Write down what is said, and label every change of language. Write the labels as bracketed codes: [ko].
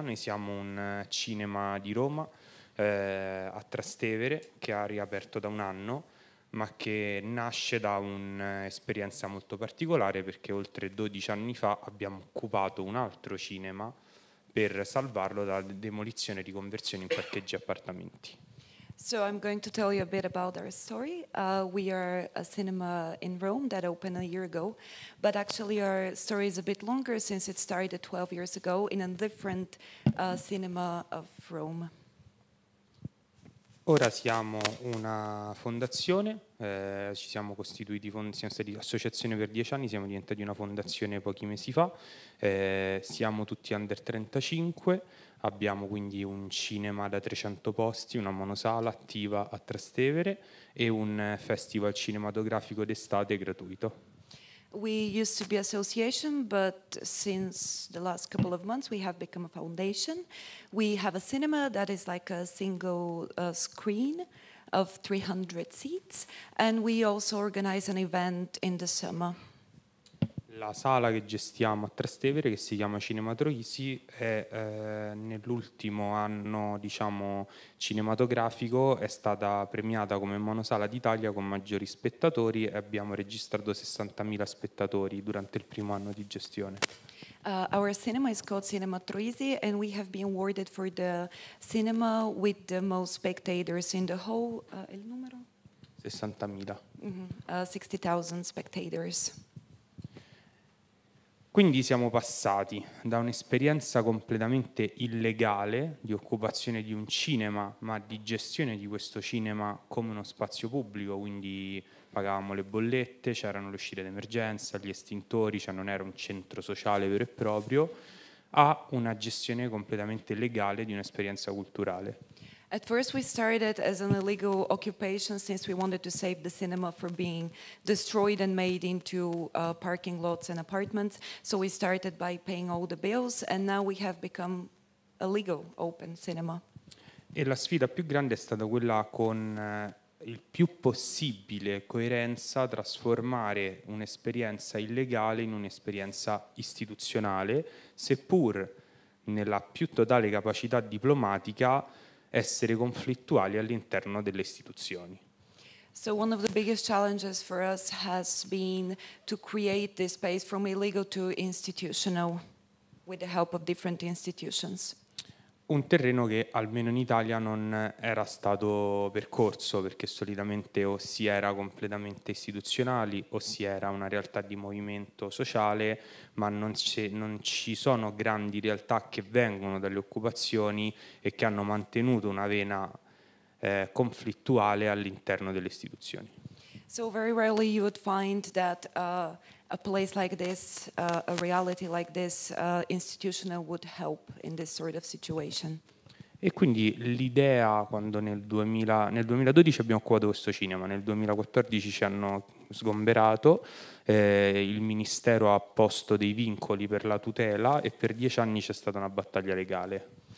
[it] Noi siamo un cinema di Roma a Trastevere che ha riaperto da un anno, ma che nasce da un'esperienza molto particolare, perché oltre 12 anni fa abbiamo occupato un altro cinema per salvarlo da demolizione e riconversione in parcheggi appartamenti. [en] So I'm going to tell you a bit about our story. We are a cinema in Rome that opened a year ago, but actually our story is a bit longer since it started 12 years ago in a different cinema of Rome. [it] Ora siamo una fondazione, ci siamo costituiti, siamo stati associazione per 10 anni, siamo diventati una fondazione pochi mesi fa, siamo tutti under 35, abbiamo quindi un cinema da 300 posti, una monosala attiva a Trastevere e un festival cinematografico d'estate gratuito. [en] We used to be association, but since the last couple of months we have become a foundation. We have a cinema that is like a single screen of 300 seats, and we also organize an event in the summer. [it] La sala che gestiamo a Trastevere, che si chiama Cinema Troisi, è nell'ultimo anno, diciamo, cinematografico, è stata premiata come monosala d'Italia con maggiori spettatori e abbiamo registrato 60.000 spettatori durante il primo anno di gestione. [en] Our cinema is called Cinema Troisi and we have been awarded for the cinema with the most spectators in the whole, [it] il numero? 60.000. [en] Mm-hmm. 60,000 spectators. [it] Quindi siamo passati da un'esperienza completamente illegale di occupazione di un cinema, ma di gestione di questo cinema come uno spazio pubblico, quindi pagavamo le bollette, c'erano le uscite d'emergenza, gli estintori, cioè non era un centro sociale vero e proprio, a una gestione completamente legale di un'esperienza culturale. [en] At first we started as an illegal occupation since we wanted to save the cinema from being destroyed and made into parking lots and apartments. So we started by paying all the bills and now we have become a legal open cinema. [it] E la sfida più grande è stata quella con il più possibile coerenza trasformare un'esperienza illegale in un'esperienza istituzionale, seppur nella più totale capacità diplomatica essere conflittuali all'interno delle istituzioni. [en] So one of the biggest challenges for us has been to create this space from illegal to institutional with the help of different institutions. [it] un terreno che almeno in Italia non era stato percorso, perché solitamente o si era completamente istituzionali o si era una realtà di movimento sociale, ma non ci sono grandi realtà che vengono dalle occupazioni e che hanno mantenuto una vena conflittuale all'interno delle istituzioni. [en] So very rarely you would find that a place like this, a reality like this, institutional would help in this sort of situation. [it] E quindi l'idea, quando nel 2012 abbiamo occupato questo cinema, nel 2014 ci hanno sgomberato, il ministero ha posto dei vincoli per la tutela e per 10 anni c'è stata una battaglia legale.